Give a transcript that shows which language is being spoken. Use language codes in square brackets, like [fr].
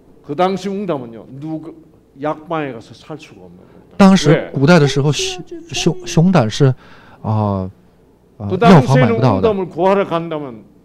[ko] 그 당시 웅담은요 누구 약방에 가서 살 수가 없는 거예요. 당시 [zh] 古代的时候 熊胆是药房买不到的. [ko] 그 당시에는 웅담을 구하러 간다면